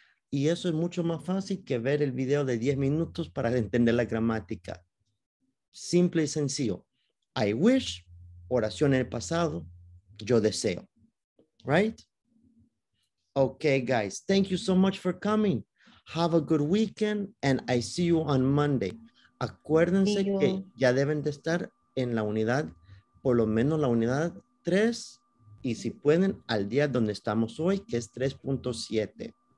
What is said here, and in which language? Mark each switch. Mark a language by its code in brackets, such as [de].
[es] Y eso es mucho más fácil que ver el video de 10 minutos para entender la gramática. Simple y sencillo. [en] I wish, [es] oración en el pasado, yo deseo. [en] Right? Okay, guys. Thank you so much for coming. Have a good weekend and I see you on Monday. [es] Acuérdense que ya deben de estar en la unidad, por lo menos la unidad 3, y si pueden, al día donde estamos hoy, que es 3.7.